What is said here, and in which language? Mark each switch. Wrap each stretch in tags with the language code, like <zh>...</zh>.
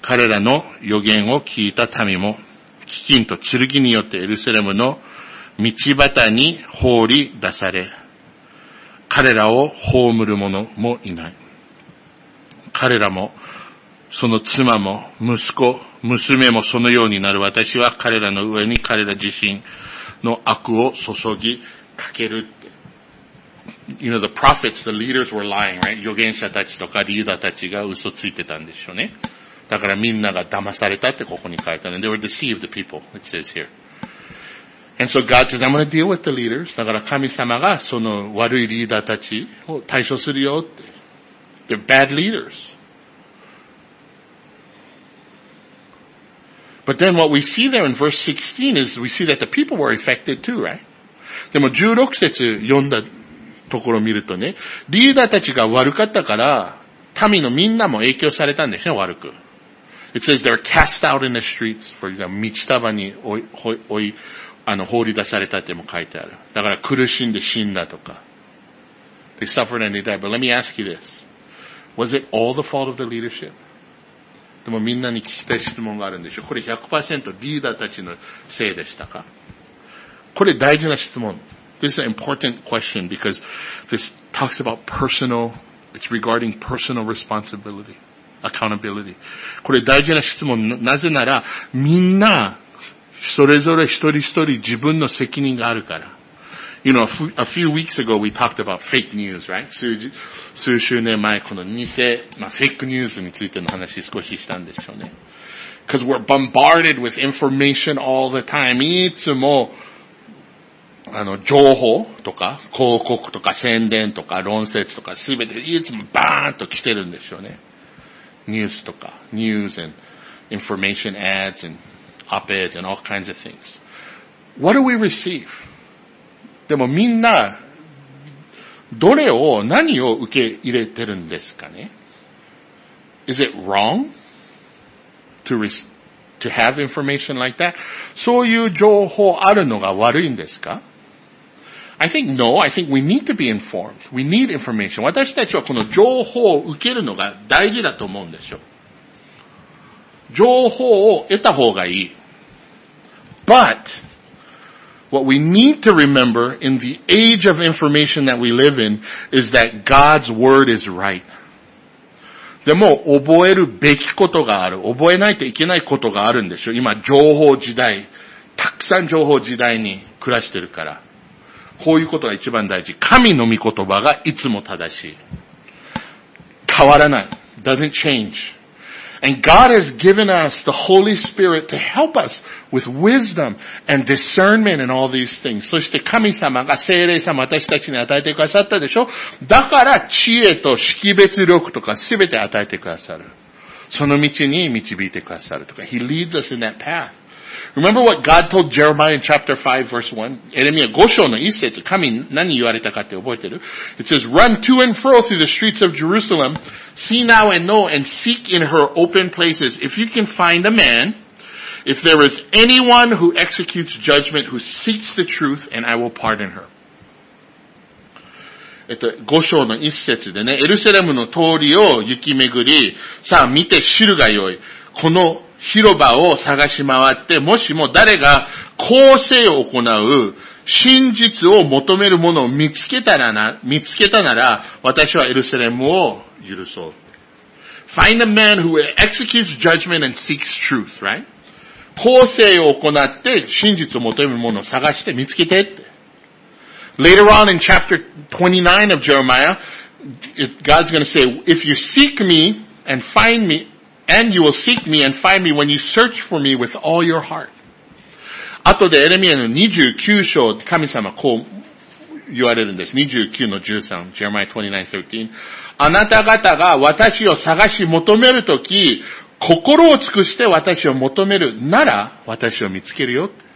<ja>彼らの預言を聞いた民も、飢饉と剣によってエルサレムの道端に放り出され、彼らを葬る者もいない。彼らも、その妻も、息子、娘もそのようになる。私は彼らの上に彼ら自身の悪を注ぎかけるって。</ja> <en>You know, the prophets, the leaders were lying, right?</en> <ja>預言者たちとかリーダーたちが嘘ついてたんでしょうね。だからみんなが騙されたってここに書いたね。</ja> <en>They were deceived, the people, it says here. And so God says, I'm going to deal with the leaders.</en> <ja>だから神様がその悪いリーダーたちを対処するよって。</ja> <en>They're bad leaders. But then what we see there in verse 16 is we see that the people were affected too, right?</en> <ja>でも16節読んだところを見るとね、リーダーたちが悪かったから、民のみんなも影響されたんですね、悪く。</ja> <en>It says they're cast out in the streets, for example,</en> <ja>道たばに放り出されたっても書いてある。だから苦しんで死んだとか。</ja> <en>They suffered and they died. But let me ask you this. Was it all the fault of the leadership?</en> <ja>でもみんなに聞きたい質問があるんでしょ。これ 100% リーダーたちのせいでしたか? これ大事な質問。</ja> <en>This is an important question because this talks about personal, it's regarding personal responsibility, accountability.</en> <ja>これ大事な質問。なぜならみんなそれぞれ一人一人自分の責任があるから。</ja> <en>You know, a few weeks ago we talked about fake news, right?</en> <ja>数週年前この偽、まあ、フェイクニュースについての話少ししたんでしょうね。</ja> <en>Because we're bombarded with information all the time.</en> <ja>いつも情報とか広告とか宣伝とか論説とかすべていつもバーンと来てるんですよね。ニュースとか、ニュース</ja> <en>and information ads and op-ed and all kinds of things. What do we receive?</en> <ja>でもみんな、どれを、何を受け入れてるんですかね?</ja> <en>Is it wrong to have information like that?</en> <ja>そういう情報あるのが悪いんですか?</ja> <en>I think no. I think we need to be informed. We need information.</en> <ja>私たちはこの情報を受けるのが大事だと思うんですよ。情報を得た方がいい。</ja> <en>But,What we need to remember in the age of information that we live in is that God's word is right.</en> <ja>でも覚えるべきことがある。覚えないといけないことがあるんでしょ。今情報時代、たくさん情報時代に暮らしてるから。こういうことが一番大事。神の御言葉がいつも正しい。変わらない。</ja> <en>Doesn't change. And God has given us the Holy Spirit to help us with wisdom and discernment and all these things.</en> <ja>そして神様が聖霊様私たちに与えてくださったでしょ? だから知恵と識別力とかすべて与えてくださる。その道に導いてくださるとか。</ja> <en>He leads us in that path. Remember what God told Jeremiah in chapter 5 verse 1?</en> <ja>エレミア5章の一節、神何言われたかって覚えてる?</ja> <en>It says, run to and fro through the streets of Jerusalem. See now and know and seek in her open places. If you can find a man, if there is anyone who executes judgment, who seeks the truth, and I will pardon her.</en> <ja>五章の一節でね、エルサレムの通りを行き巡り、さあ見て知るがよい。この広場を探し回って、もしも誰が公正を行う、真実を求める者を見つけたらな、見つけたなら、私はエルサレムを許そう。</ja> <en>Find a man who executes judgment and seeks truth, right?</en> <ja>公正を行って真実を求める者を探して見つけてって。</ja> <en>Later on in chapter 29 of Jeremiah, God's gonna say, if you seek me and find me, and you will seek me and find me when you search for me with all your heart.</en> <ja>あとでエレミアの29章、神様こう言われるんです。 29の13、Jeremiah 29:13。あなた方が私を探し求めるとき、心を尽くして私を求めるなら、私を見つけるよ。</ja>